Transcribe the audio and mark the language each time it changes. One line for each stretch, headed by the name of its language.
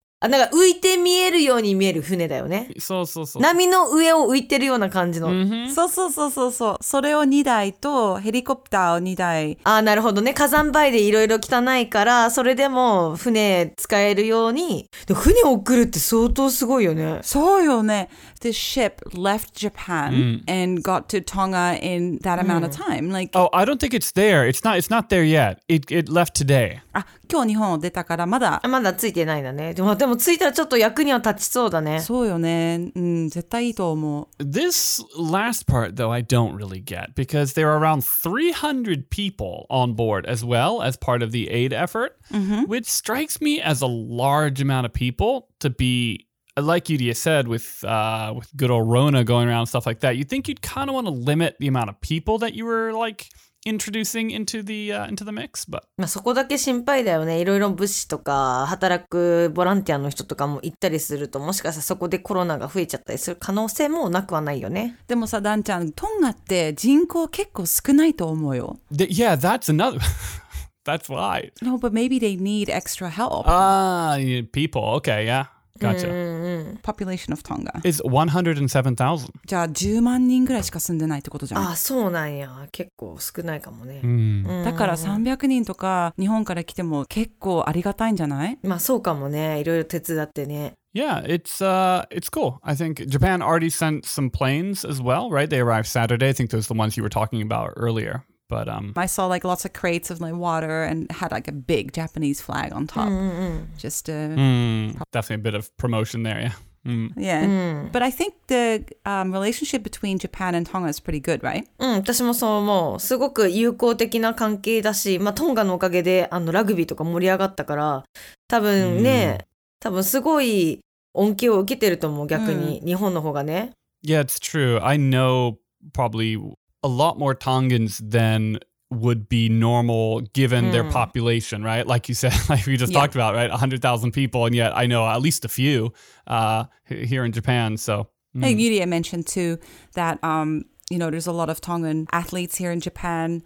Japanese: あ、なんか浮いて見えるように見える船だよね。そうそうそう。波の上を浮いてるような感じの。そうそうそうそうそう。それを2台とヘリコプターを2台。あー、なるほどね。火山灰でいろいろ汚いから、それでも船使えるように。で、船送るって相当すごいよね。そうよね。
English: The ship left Japan and got to Tonga in that amount of time. Like, oh, I don't think it's there. It's not there yet. It left today.
Japanese: あ、今日日本を出たからまだ。まだついてないんだね。でも着いたらちょっと役には立ちそうだね。そうよね。うん、絶対いいと思う。
English: This last part, though, I don't really get, because there are around 300 people on board as well as part of the aid effort, which strikes me as a large amount of people to be, like Yudia said, with good old Rona going around and stuff like that, you'd think you'd kind of want to limit the amount of people that you were, like... introducing into the mix, but
Japanese: そこだけ心配だよね。いろいろ物資とか働くボランティアの人とかも行ったりすると、もしかしたらそこでコロナが増えちゃったりする可能性もなくはないよね。でもさ、ダンちゃん、トンガって人口結構少ないと思うよ。
English: Yeah, that's another. That's why. No, but maybe they need extra help. People. Okay, yeah. Gotcha. Population of Tonga. It's 107,000.
Japanese: じゃあ10万人ぐらいしか住んでないってことじゃん。ああ、そうなんや。結構少ないかもね。だから300人とか日本から来ても結構ありがたいんじゃない？まあそうかもね。いろいろ手伝ってね。
English: Yeah, it's cool. I think Japan already sent some planes as well, right? They arrived Saturday. I think those are the ones you were talking about earlier. But I saw like lots of crates of like water and had like a big Japanese flag on top. Definitely a bit of promotion there, yeah. But I think the relationship between Japan and Tonga is pretty good, right?
Japanese: うん、私もそう思う。すごく友好的な関係だし、まあトンガのおかげであのラグビーとか盛り上がったから、多分ね、多分すごい恩恵を受けてると思う。逆に日本の方がね。
English: Yeah, it's true. I know probably. A lot more Tongans than would be normal given their population, right? Like you said, like we just talked about, right? 100,000 people, and yet I know at least a few here in Japan. So, Yudia mentioned too that, you know, there's a lot of Tongan athletes here in Japan.